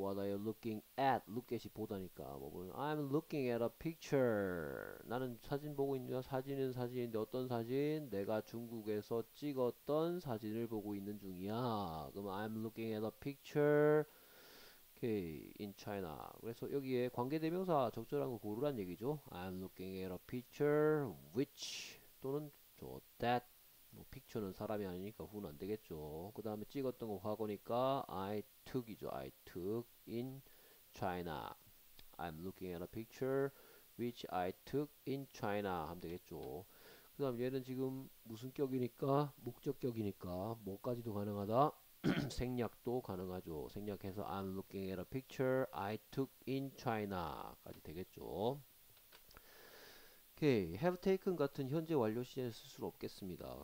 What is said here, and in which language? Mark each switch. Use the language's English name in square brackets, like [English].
[English] What are you looking at? Look at이 보다니까 뭐 보는. I'm looking at a picture. [Korean] 나는 사진 보고 있냐? 사진은 사진인데 어떤 사진? 내가 중국에서 찍었던 사진을 보고 있는 중이야. [English] 그럼 I'm looking at a picture. Okay, in China. [Korean] 그래서 여기에 관계대명사 적절한 거 고르란 얘기죠. [English] I'm looking at a picture which 또는 저 that. [Korean] 뭐 picture는 사람이 아니니까 who는 안 되겠죠. 그 다음에 찍었던 거 과거니까 I took이죠. [English] I took in China. I'm looking at a picture which I took in China 하면 되겠죠. [Korean] 그 다음 얘는 지금 무슨 격이니까 목적격이니까 뭐까지도 가능하다. 생략도 가능하죠. 생략해서 I'm looking at a picture I took in China 까지 되겠죠. 오케이, okay. Have taken 같은 현재 완료 시제를 쓸수 없겠습니다.